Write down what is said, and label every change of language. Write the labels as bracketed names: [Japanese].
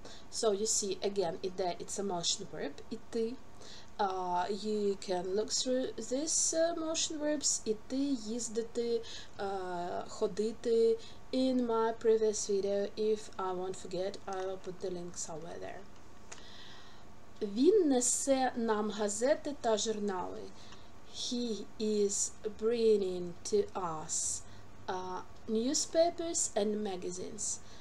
[English] So you see again, it's a motion verb, іти. You can look through this motion verbs, іти, їздити, ходити, in my previous video. If I won't forget, I will put the link somewhere there. [Ukrainian] Він несе нам газети та журнали. [English] He is bringing to us newspapers and magazines.